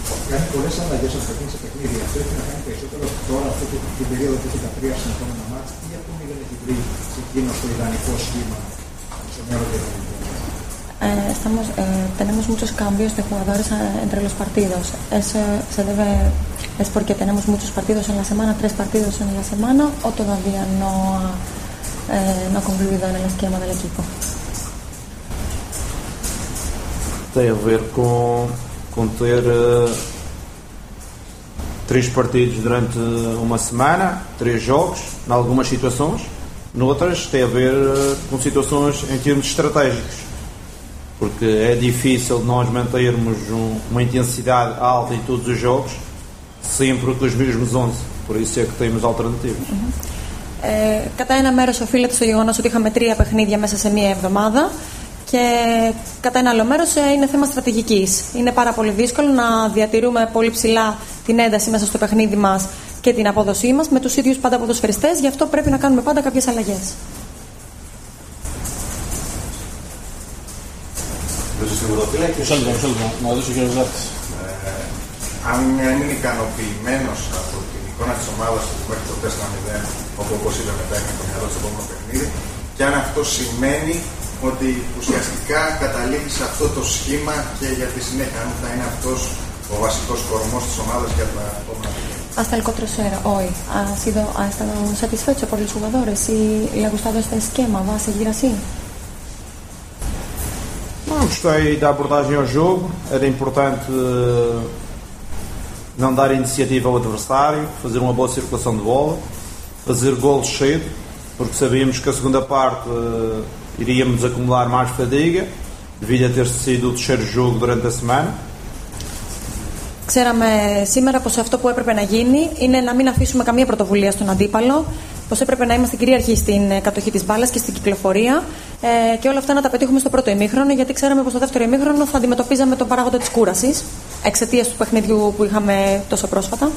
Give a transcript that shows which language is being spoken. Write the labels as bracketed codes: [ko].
[el] Κάνει πολλές αλλαγές από το παιχνίδι. Αυτό έχει να κάνει περισσότερο τώρα, αυτή την περίοδο που έχει τα τρία συνεχόμενα μάτς, ή αυτό μην έχει βρει σε εκείνο το ιδανικό σχήμα στο νέο διαδικασμό. [es] Estamos, tenemos muchos cambios de jugadores entre los partidos. Eso se debe, es porque tenemos muchos partidos en la semana, tres partidos en la semana, o todavía no ha no concluido en el esquema del equipo. Tiene que ver con tener tres partidos durante una semana, tres juegos, en algunas situaciones, en otras tiene que ver con situaciones en términos estratégicos. [pt] Porque é difícil nós mantermos uma intensidade alta em todos os jogos, sempre com os mesmos 11. Por isso é que temos alternativas. [el] Κατά ένα μέρος οφείλεται στο γεγονός ότι είχαμε τρία παιχνίδια μέσα σε μία εβδομάδα. Και κατά ένα άλλο μέρος είναι θέμα στρατηγικής. Είναι πάρα πολύ δύσκολο να διατηρούμε πολύ ψηλά την ένταση μέσα στο παιχνίδι μας και την απόδοσή μας με τους ίδιους πάντα ποδοσφαιριστές. Γι' αυτό πρέπει να κάνουμε πάντα κάποιες αλλαγές. Αν είναι ικανοποιημένος από την εικόνα της ομάδας που μέχρι το 4-0, όπως είπε μετά, είναι το μυαλό στο επόμενο παιχνίδι, και αν αυτό σημαίνει ότι ουσιαστικά καταλήγει σε αυτό το σχήμα και για τη συνέχεια, αν θα είναι αυτός ο βασικός κορμός της ομάδας για τα επόμενα παιχνίδια. [es] Hasta el 4-0, hoy, ¿ha sido, ha estado satisfecho por los jugadores y le ha gustado este esquema? ¿Va a seguir así? [pt] Gostei da abordagem ao jogo, era importante não dar iniciativa ao adversário, fazer uma boa circulação de bola, fazer golos cedo, porque sabíamos que a segunda parte iríamos acumular mais fadiga, devido a ter sido o terceiro jogo durante a semana. [el] Ξέραμε σήμερα πως αυτό που έπρεπε να γίνει είναι να μην αφήσουμε καμία πρωτοβουλία στον αντίπαλο, πως έπρεπε να είμαστε κυρίαρχοι στην κατοχή της μπάλας και στην κυκλοφορία και όλα αυτά να τα πετύχουμε στο πρώτο ημίχρονο, γιατί ξέραμε πως στο δεύτερο ημίχρονο θα αντιμετωπίζαμε τον παράγοντα της κούρασης εξαιτίας του παιχνιδιού που είχαμε τόσο πρόσφατα.